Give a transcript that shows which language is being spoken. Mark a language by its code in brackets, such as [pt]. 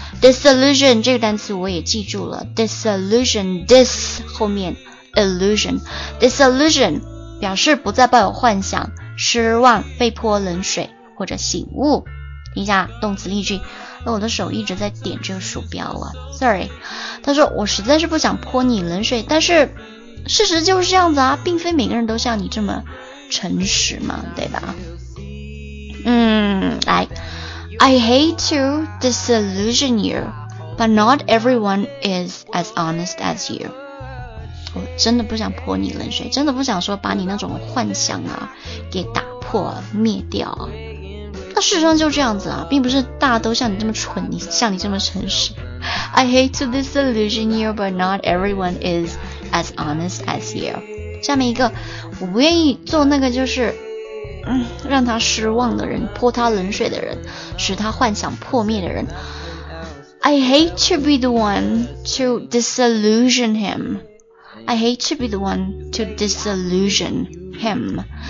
[zh] disillusion 这个单词我也记住了。disillusion， dis 后面 illusion， disillusion 表示不再抱有幻想、失望、被泼冷水或者醒悟。听一下动词例句。那我的手一直在点这个鼠标啊， [en] sorry。 [zh] 他说我实在是不想泼你冷水，但是事实就是这样子啊，并非每个人都像你这么诚实嘛，对吧？来， [en] I hate to disillusion you, but not everyone is as honest as you. [zh] 我真的不想泼你冷水，真的不想说把你那种幻想啊给打破灭掉啊。那事实上就这样子啊，并不是大家都像你这么蠢，像你这么诚实。 [en] I hate to disillusion you, but not everyone is as honest as you. [zh] 下面一个，我不愿意做那个就是，让他失望的人，泼他冷水的人，使他幻想破灭的人。 [en] I hate to be the one to disillusion him. I hate to be the one to disillusion him.